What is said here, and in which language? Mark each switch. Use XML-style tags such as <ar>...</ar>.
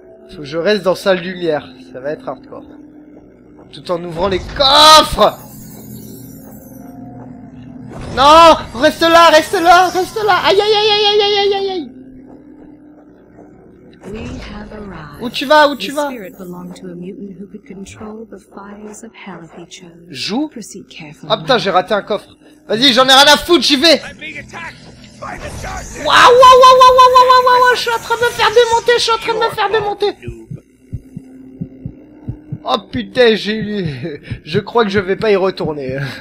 <fr>Faut que je reste dans sa lumière, ça va être hardcore. Tout en ouvrant les coffres. Non, reste là, reste là, reste là. Aïe aïe aïe aïe aïe aïe aïe aïe.</fr> <en>We have arrived.</en> <fr>Où tu vas, où tu vas?</fr> <en>The spirit belonged to a mutant who could control the fires of hell if he chose.</en> <fr>Joue.</fr> <en>Proceed carefully.</en> <fr>Ah putain, j'ai raté un coffre. Vas-y, j'en ai rien à foutre, j'y vais. Waouh, je suis en train de me faire démonter, je suis en train de me faire démonter. Oh putain, je crois que je vais pas y retourner.</fr>